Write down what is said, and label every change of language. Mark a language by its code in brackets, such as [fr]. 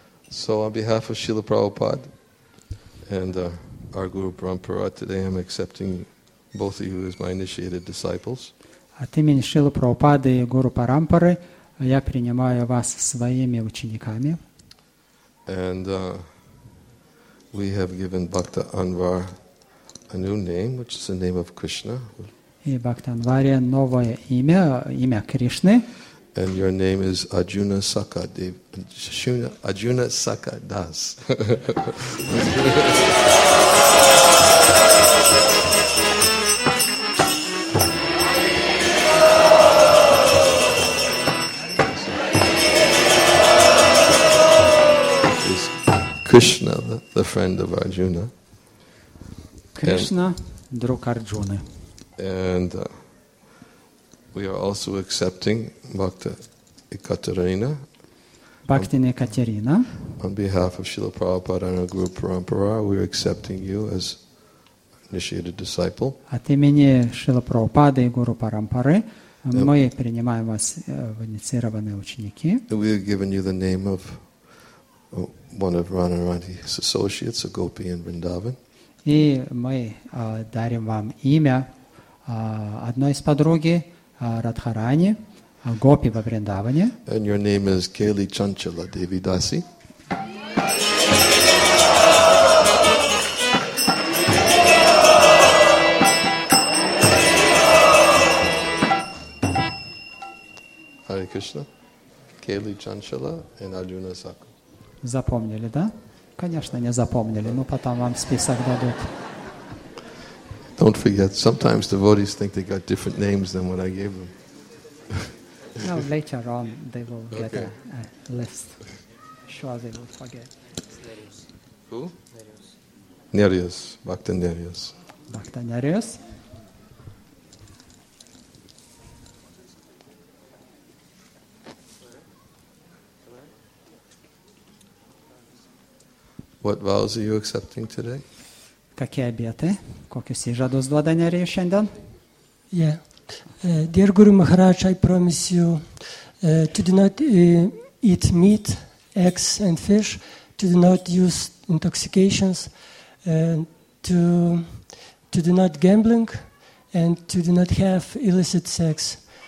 [en] So on behalf of Srila Prabhupada and our Guru Parampara, today I'm accepting both of you as my initiated disciples. [ru] От имени Шрилы Прабхупады и Гуру Парампары я принимаю вас своими учениками. [en] And we have given Bhakta Anwar a new name, which is the name of Krishna. [ru] И Бхакта Анваре новое имя, имя Кришны. [en] And your name is Arjuna Sakadev, Arjuna Sakadas. Is Krishna the friend of Arjuna? [ru] Krishna, друг Арджуны. [en] And we are also accepting Bhakta Ekaterina. Bhaktin Ekaterina. On behalf of Srila Prabhupada and our Guru Parampara, we are accepting you as initiated disciple. [ru] От имени Шрилы Прабхупады и Гуру Парампары мы принимаем вас в инициированные ученики. [en] We have given you the name of one of Radharani's associates, a gopi in Vrindavan. [ru] И мы дарим вам имя одной из подруги Радхарани, гопи во Вриндаване. [en] And your name is Кейли Чанчала Деви Даси. [ru] Харе Кришна. Кейли Чанчала и Арджуна Сака. Запомнили, да? Конечно, не запомнили, но потом вам список дадут. [en] Don't forget, sometimes devotees think they got different names than what I gave them. No, later on they will get a list. Sure they will forget. Who? Nereus. Bhakta Nereus. Bhakta Nereus. What vows are you accepting today? [ru] Какие обеты? Кокюс и жадус два дня решендан? [en] Yeah. Dear Guru Maharaj, I promise you to do not eat meat, eggs and fish, to do not use intoxications, to do not gambling, and to do not have illicit sex.